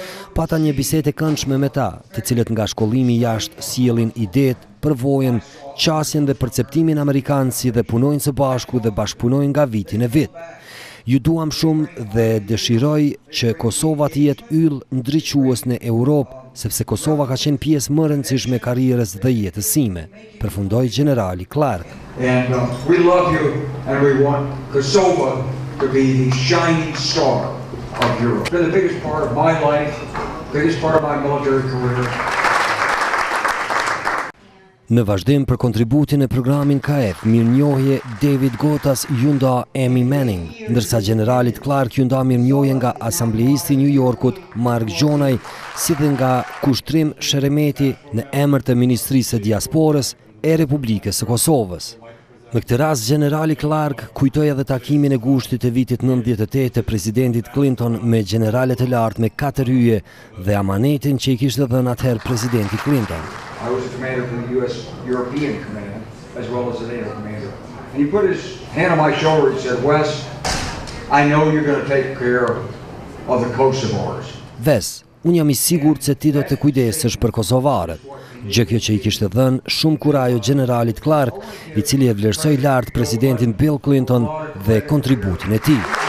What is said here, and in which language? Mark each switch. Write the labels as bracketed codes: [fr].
[sq] Pata një bisedë e këndshme me ta, të cilët nga shkollimi jashtë sjellin idetë, përvojën, qasjen dhe perceptimin amerikan si dhe punojnë së bashku dhe bashkëpunojnë nga viti në vit. Ju duam shumë dhe dëshiroj që Kosova të jetë yll ndriçues në Europë, sepse Kosova ka qenë pjesë më rëndësishme e karrierës dhe jetës sime, përfundoi generali Clark. [en] And we love you and we want Kosova to be the shining star of Europe. It's been the biggest part of my life, biggest part of my military career. [sq] Në vazhdim për kontributin e programin KF, mirënjohje David Gotas ju nda Amy Manning, ndërsa generalit Clark ju nda mirënjohje nga asambleisti New Yorkut Mark Gjonaj, si dhe nga kushtrim Sheremeti në emër të Ministrisë e Diasporës e Republikës së Kosovës. Në këtë rast, generali Clark kujtoi edhe takimin e gushtit të vitit 98 të presidentit Clinton me generalet e lartë me 4 hyje dhe amanetin që i kishte dhënë atëherë presidenti Clinton. [en] I was a commander from the U.S. European command, as well as a NATO commander. And he put his hand on my shoulder and said, Wes, I know you're going to take care of the Kosovars. [sq] Wes, unë jam i sigur që ti do të kujdesesh për Kosovarët. Gjë kjo që i kishte dhënë shumë kurajo generalit Clark, i cili e vlerësoi lart presidentin Bill Clinton dhe kontributin e tij.